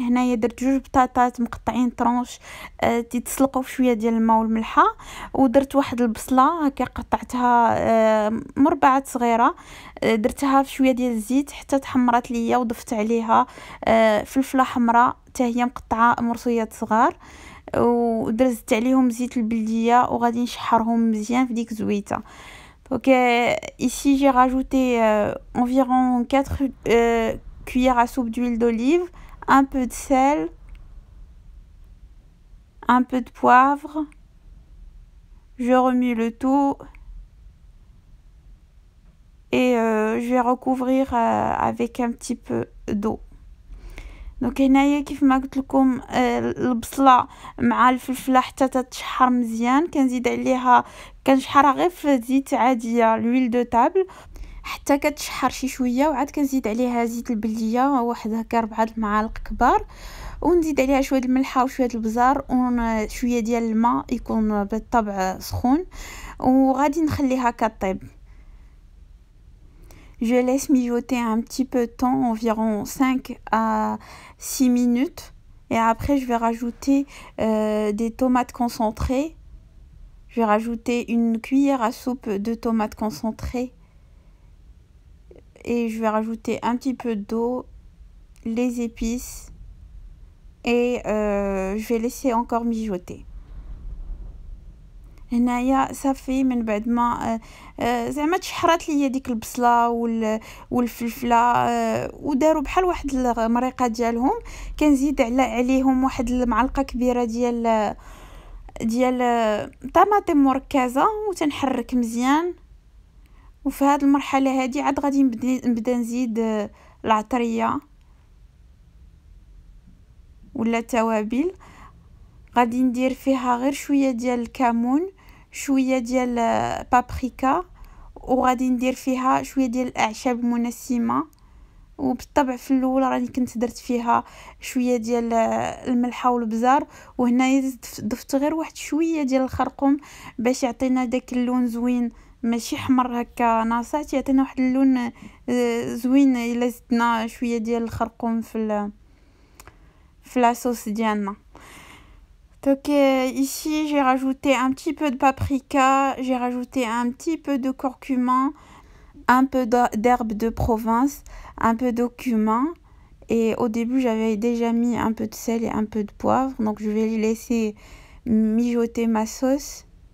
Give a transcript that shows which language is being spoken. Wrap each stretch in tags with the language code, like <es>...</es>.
<ar>Hnaya drt jouj batatat mqta'in tranche titslqou fchouya dial lma ou lmelha, ou drt wahed lbsla haka qata'tha mربعات صغيرة درتها فشوية ديال الزيت حتى تحمرات ليا، وضفت عليها فلفلة حمراء حتى هي مقطعة مرصويات صغار، ودرزت عليهم زيت البلدية وغادي نشحرهم مزيان في ديك زويته.</ar> <fr>دونك ici j'ai rajouté environ 4 cuillères à soupe d'huile d'olive, un peu de sel, un peu de poivre. Je remue le tout. Et je vais recouvrir avec un petit peu d'eau.</fr> <ar>Donc هنايا كيف ما قلت لكم البصله مع الفلفله حتى تتشحر مزيان، كنزيد عليها كنشحرها غير في زيت عاديه</ar> <fr>الويل دو تابل</fr> <ar>حتى كتشحر شي شويه، وعاد كنزيد عليها زيت البلديه واحد هكا 4 المعالق كبار، ونزيد عليها شويه الملحه وشويه البزار وشويه ديال الماء يكون بالطبع سخون، وغادي نخليها كطيب.</ar> <fr>Je laisse mijoter un petit peu de temps, environ 5 à 6 minutes. Et après, je vais rajouter des tomates concentrées. Je vais rajouter une cuillère à soupe de tomates concentrées. Et je vais rajouter un petit peu d'eau, les épices. Et je vais laisser encore mijoter.</fr> <ar>هنايا صافي، من بعد ما زعما تشحرات لي ديك البصله والفلفله وداروا بحال واحد المريقه ديالهم، كنزيد عليهم واحد المعلقه كبيره ديال طماطم مركزه وتنحرك مزيان. وفي هذه المرحله هذه عاد غادي نبدا نزيد العطريه ولا التوابل. غادي ندير فيها غير شويه ديال الكمون، شويه ديال بابريكا، وغادي ندير فيها شويه ديال الاعشاب المنسمه. وبالطبع في الاول راني كنت درت فيها شويه ديال الملح والبزار، وهنا ضفت غير واحد شويه ديال الخرقوم باش يعطينا داك اللون زوين، ماشي حمر هكا ناصع، يعطينا واحد اللون زوين الا زدنا شويه ديال الخرقوم في لاصوص ديالنا.</ar> <fr>Donc ici j'ai rajouté un petit peu de paprika, j'ai rajouté un petit peu de curcuma, un peu d'herbe de province, un peu de cumin. Et au début j'avais déjà mis un peu de sel et un peu de poivre. Donc je vais laisser mijoter ma sauce.</fr>